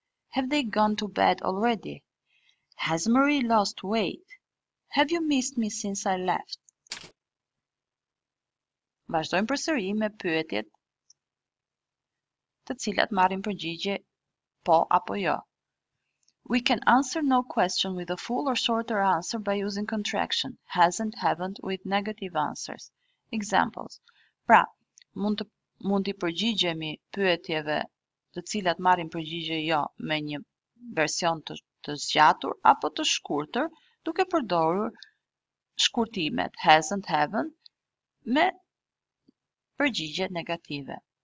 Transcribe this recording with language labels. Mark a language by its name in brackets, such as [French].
[English] Have they gone to bed already? Has Marie lost weight? Have you missed me since I left? [Albanian] Vazhdojmë përsëri me pyetjet të cilat marrin përgjigje po apo jo. [English] We can answer no question with a full or shorter answer by using contraction hasn't, haven't with negative answers. Examples. [Albanian] Pra, mund t'i përgjigjemi pyetjeve të cilat marrin përgjigje jo me një version të zgjatur apo të shkurtër duke përdorur shkurtimet hasn't, haven't me përgjigje negative.